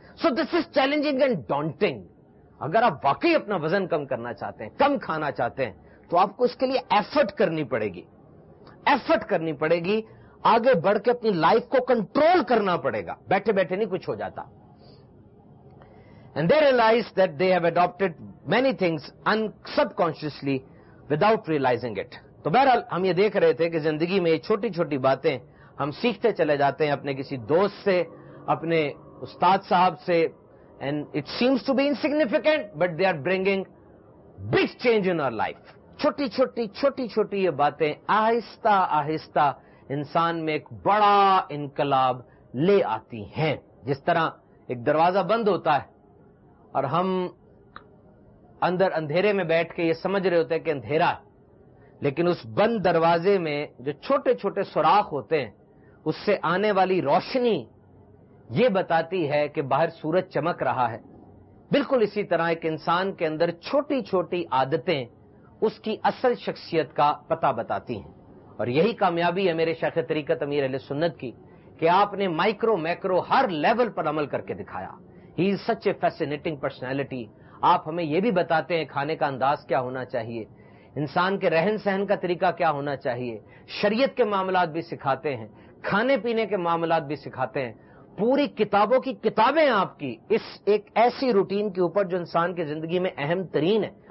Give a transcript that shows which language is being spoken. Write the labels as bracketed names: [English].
[English] So this is challenging and daunting. [Urdu] اگر آپ واقعی اپنا وزن کم کرنا چاہتے ہیں، کم کھانا چاہتے ہیں، تو آپ کو اس کے لیے ایفرٹ کرنی پڑے گی، ایفرٹ کرنی پڑے گی، آگے بڑھ کے اپنی لائف کو کنٹرول کرنا پڑے گا، بیٹھے بیٹھے نہیں کچھ ہو جاتا. [English] And they realize that they have adapted many things in subconsciously without realizing it. [Urdu] تو بہرحال ہم یہ دیکھ رہے تھے کہ زندگی میں یہ چھوٹی چھوٹی باتیں ہم سیکھتے چلے جاتے ہیں اپنے کسی دوست سے، اپنے استاد صاحب سے، [English] And it seems to be insignificant, but they are bringing big change in our life. [Urdu] چھوٹی چھوٹی چھوٹی چھوٹی یہ باتیں آہستہ آہستہ انسان میں ایک بڑا انقلاب لے آتی ہیں. جس طرح ایک دروازہ بند ہوتا ہے اور ہم اندر اندھیرے میں بیٹھ کے یہ سمجھ رہے ہوتے ہیں کہ اندھیرا ہے، لیکن اس بند دروازے میں جو چھوٹے چھوٹے سوراخ ہوتے ہیں اس سے آنے والی روشنی یہ بتاتی ہے کہ باہر سورج چمک رہا ہے. بالکل اسی طرح ایک انسان کے اندر چھوٹی چھوٹی عادتیں اس کی اصل شخصیت کا پتہ بتاتی ہیں. اور یہی کامیابی ہے میرے شیخ طریقت امیر علیہ سنت کی کہ آپ نے مائکرو میکرو ہر لیول پر عمل کر کے دکھایا. [English] He is such a fascinating personality. [Urdu] آپ ہمیں یہ بھی بتاتے ہیں کھانے کا انداز کیا ہونا چاہیے، انسان کے رہن سہن کا طریقہ کیا ہونا چاہیے، شریعت کے معاملات بھی سکھاتے ہیں، کھانے پینے کے معاملات بھی سکھاتے ہیں، پوری کتابوں کی کتابیں آپ کی اس ایک ایسی روٹین کے اوپر جو انسان کی زندگی میں اہم ترین ہے.